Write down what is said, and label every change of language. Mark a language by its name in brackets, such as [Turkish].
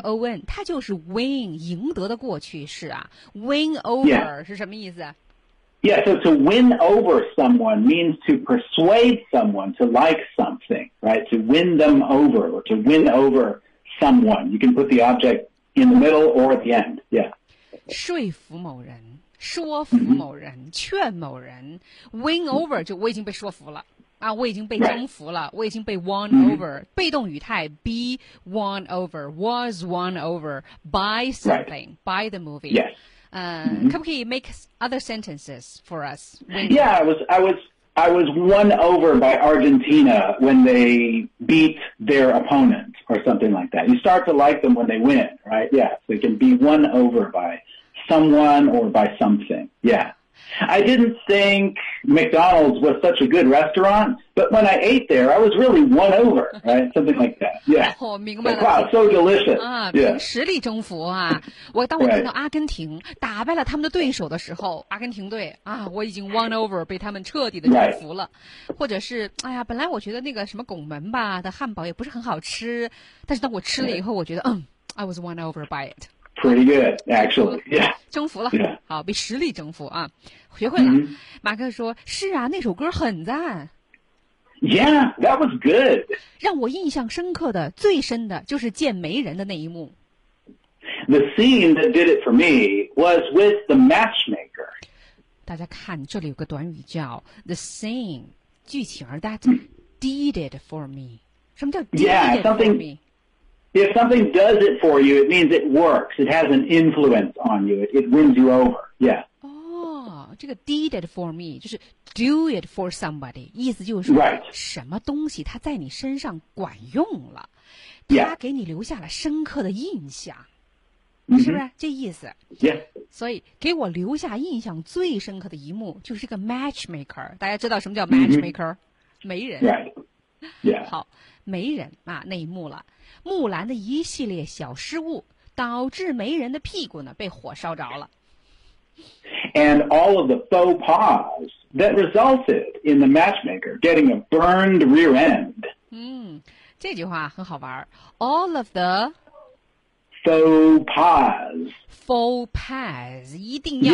[Chinese] W-O-N 它就是 win 赢得的过去式啊 win over、 [English] yeah. [Chinese] 是什么意思 [English] Yeah, so to win over someone means to persuade someone to like something, right? To win them over or to win over someone. You can put the object in the middle or at the end, yeah. [Chinese] 说服某人，说服某人，劝某人。 Win over 就我已经被说服了。啊，我已经被征服了、 [English] right. [Chinese] 我已经被 [English] won over、mm-hmm. [Chinese] 被动语态 [English] be won over was won over by something、 right. by the movie yes、 mm-hmm. [Chinese] 可不可以 [English] make other sentences for us yeah I was won over by Argentina when they beat their opponent or something like that you start to like them when they win right yeah so they can be won over by someone or by something yeahI didn't think McDonald's was such a good restaurant, but when I ate there, I was really won over, right? Something like that. Yeah. [Chinese] 哦，明白了。 [English] Wow, so delicious. 啊、 yeah. ， [Chinese] 实力征服啊！我当我看到阿根廷打败了他们的对手的时候，阿根廷队啊，我已经 [English] won over， [Chinese] 被他们彻底的征服了。 [English] Right. [Chinese] 或者是，哎呀，本来我觉得那个什么拱门吧的汉堡也不是很好吃，但是当我吃了以后，我觉得，嗯 ， [English] I was won over by it. Pretty good, actually. Yeah. [Chinese] 征服了。 [English] Yeah. [Chinese] 好，被实力征服啊！学会了。Mm-hmm. 马克说：“是啊，那首歌很赞。” [English] Yeah, that was good. [Chinese] 让我印象深刻的、最深的就是见媒人的那一幕。 [English] The scene that did it for me was with the matchmaker. [Chinese] 大家看，这里有个短语叫 the scene， 剧情 that、mm-hmm. [English] did it for me。 [Chinese] 什么叫 [English] did yeah, it for me？ If something does it for you, it means it works. It has an influence on you. It wins you over. Yeah. [Chinese] 哦，这个 [English] did it for me [Chinese] 就是 [English] do it for somebody， [Chinese] 意思就是 [English] right [Chinese] 什么东西它在你身上管用了，它、 [English] yeah. [Chinese] 给你留下了深刻的印象， [English] mm-hmm. [Chinese] 是不是这意思 [English] ？Yeah. [Chinese] 所以给我留下印象最深刻的一幕就是这个 matchmaker。大家知道什么叫 matchmaker？ 媒、 [English] mm-hmm. [Chinese] 人。 [English] Right. Yeah. [Chinese] 好，媒人啊那一幕了。木兰的一系列小失误导致媒人的屁股呢被火烧着了。 [English] And all of the faux pas that resulted in the matchmaker getting a burned rear end. [Chinese] 嗯，这句话很好玩。 [English] All of the faux pas. [Chinese] Faux pas 一定要。